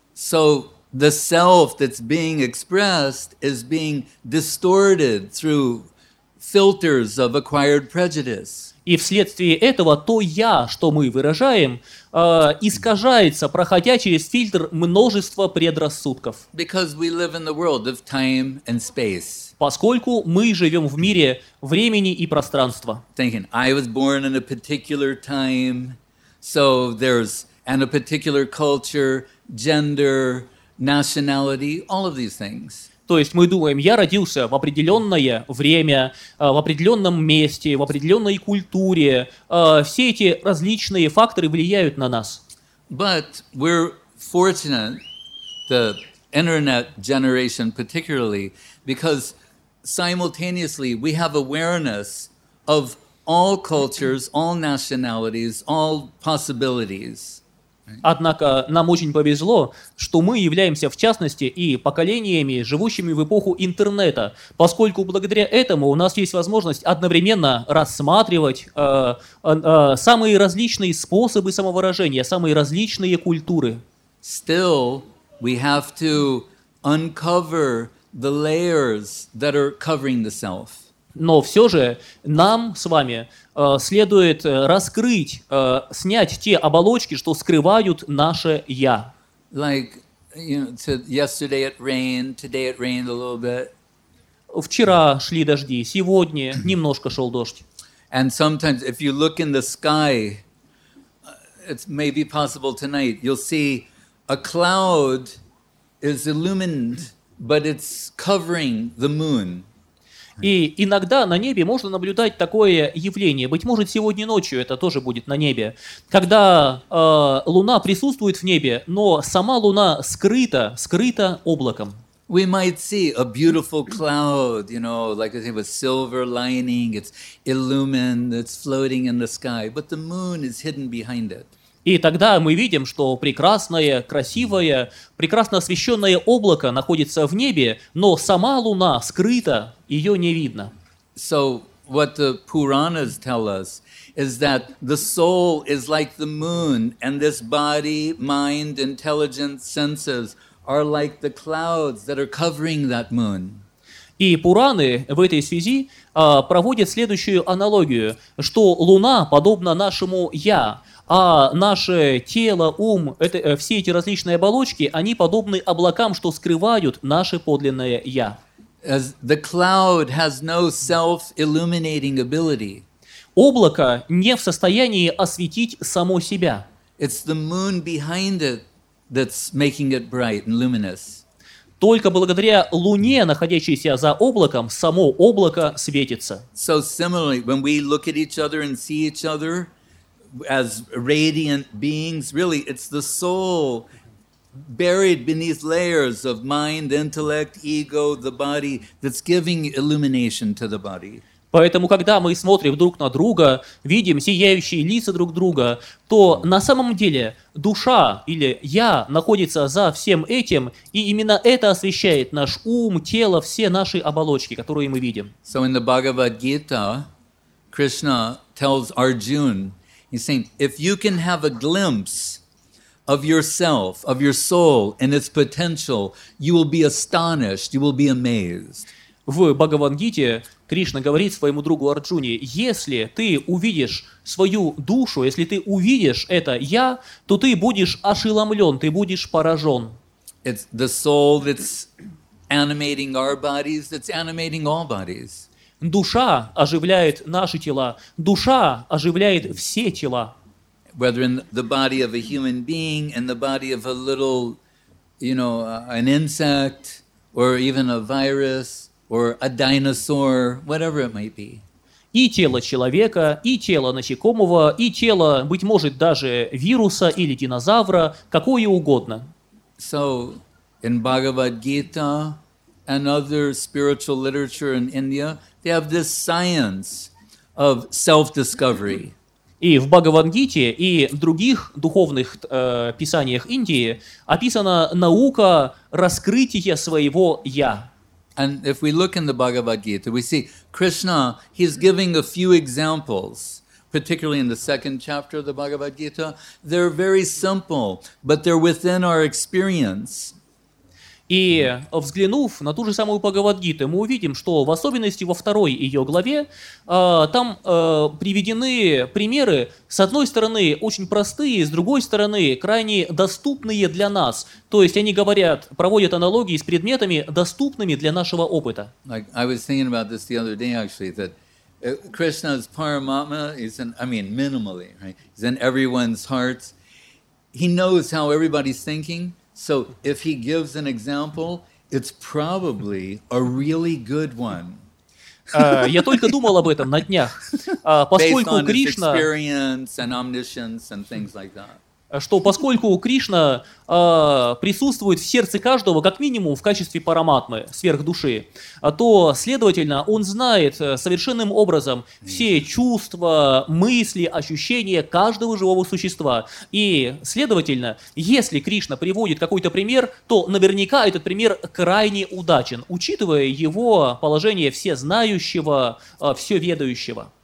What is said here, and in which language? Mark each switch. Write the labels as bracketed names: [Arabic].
[English] So the self that's being expressed is being distorted through filters of acquired prejudice. [Russian] И вследствие этого то «я», что мы выражаем, искажается, проходя через фильтр множества предрассудков. [English] Because we live in the world of time and space. [Russian] Поскольку мы живем в мире времени и пространства. [English] Thinking, I was born in a particular time, so there's and a particular culture, gender, nationality, all of these things. [Russian] То есть мы думаем, я родился в определенное время, в определенном месте, в определенной культуре. Все эти различные факторы влияют на нас. [English] But we're fortunate, the internet generation particularly, because simultaneously we have awareness of all cultures, all nationalities, all possibilities. [Russian] Однако нам очень повезло, что мы являемся в частности и поколениями, живущими в эпоху интернета, поскольку благодаря этому у нас есть возможность одновременно рассматривать самые различные способы самовыражения, самые различные культуры. [English] Still, we have to uncover the layers that are covering the self. [Russian] Но все же нам с вами следует раскрыть, снять те оболочки, что скрывают наше «я». [English] Like, you know, yesterday it rained, today it rained a little bit. [Russian] Вчера шли дожди, сегодня немножко шел дождь. [English] And sometimes if you look in the sky, it may be possible tonight, you'll see a cloud is illumined, but it's covering the moon. [Russian] И иногда на небе можно наблюдать такое явление. Быть может, сегодня ночью это тоже будет на небе. Когда Луна присутствует в небе, но сама Луна скрыта, скрыта облаком. [English] We might see a beautiful cloud, you know, like I say, with silver lining, it's illumined, it's floating in the sky, but the moon is hidden behind it. [Russian] И тогда мы видим, что прекрасное, красивое, прекрасно освещенное облако находится в небе, но сама Луна скрыта, ее не видно. [English] So what the Puranas tell us is that the soul is like the moon, and this body, mind, intelligence, senses are like the clouds that are covering that moon. [Russian] И Пураны в этой связи проводят следующую аналогию, что Луна подобна нашему «я», а наше тело, ум, это, все эти различные оболочки, они подобны облакам, что скрывают наше подлинное «я». [English] As the cloud has no self-illuminating ability. [Russian] Облако не в состоянии осветить само себя. [English] It's the moon behind it that's making it bright and luminous. [Russian] Только благодаря Луне, находящейся за облаком, само облако светится. [English] So similarly, when we look at each other and see each other as radiant beings, really, it's the soul buried beneath layers of mind, intellect, ego, the body, that's giving illumination to the body. [Russian] Поэтому, когда мы смотрим друг на друга, видим сияющие лица друг друга, то на самом деле душа или я находится за всем этим, и именно это освещает наш ум, тело, все наши оболочки, которые мы видим. [English] So in the Bhagavad-gita, Krishna tells Arjuna, he's saying, if you can have a glimpse of yourself, of your soul and its potential, you will be astonished, you will be amazed. [Russian] В Бхагавад-гите Кришна говорит своему другу Арджуне, если ты увидишь свою душу, если ты увидишь это «я», то ты будешь ошеломлен, ты будешь поражен. [English] It's the soul that's animating our bodies, that's animating all bodies. [Russian] Душа оживляет наши тела, душа оживляет все тела. [English] Whether in the body of a human being, in the body of a little, you know, an insect, or even a virus, or a dinosaur, whatever it might be. [Russian] И тело человека, и тело насекомого, и тело, быть может, даже вируса или динозавра, какое угодно. [English] So, in Bhagavad-gita and other spiritual literature in India, they have this science of self-discovery. [Russian] И в Бхагавад-гите и в других духовных писаниях Индии описана наука раскрытия своего «я». [English] And if we look in the Bhagavad-gita, we see Krishna, he's giving a few examples, particularly in the second chapter of the Bhagavad-gita. They're very simple, but they're within our experience. [Russian] И взглянув на ту же самую Бхагавад-гиту, мы увидим, что в особенности во второй ее главе там приведены примеры, с одной стороны, очень простые, с другой стороны, крайне доступные для нас. То есть они говорят, проводят аналогии с предметами, доступными для нашего опыта. [English] I was thinking about this the other day, actually, that Krishna's Paramatma, is in, I mean, minimally, right? He's in everyone's hearts. He knows how everybody's thinking. So if he gives an example, it's probably a really good one. [Russian] Я только думал об этом на днях, поскольку Кришна, [English] based on his experience and omniscience and things like that. [Russian] Что поскольку Кришна присутствует в сердце каждого, как минимум в качестве параматмы, сверхдуши, то, следовательно, он знает совершенным образом все чувства, мысли, ощущения каждого живого существа. И, следовательно, если Кришна приводит какой-то пример, то наверняка этот пример крайне удачен, учитывая его положение всезнающего, всеведающего.